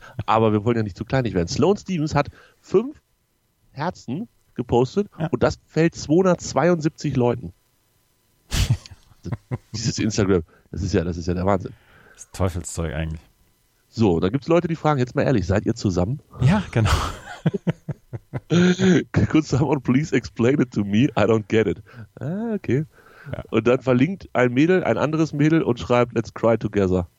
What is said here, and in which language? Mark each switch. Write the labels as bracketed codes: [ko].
[de] Aber wir wollen ja nicht zu kleinig werden. Sloane Stephens hat 5 Herzen gepostet und das fällt 272 Leuten. Dieses Instagram, das ist ja der Wahnsinn. Das ist Teufelszeug eigentlich. So, da gibt es Leute, die fragen, jetzt mal ehrlich, seid ihr zusammen? Ja, genau. [en] Could someone please explain it to me? I don't get it. Ah, okay. Ja. [de] Und dann verlinkt ein anderes Mädel und schreibt, [en] let's cry together.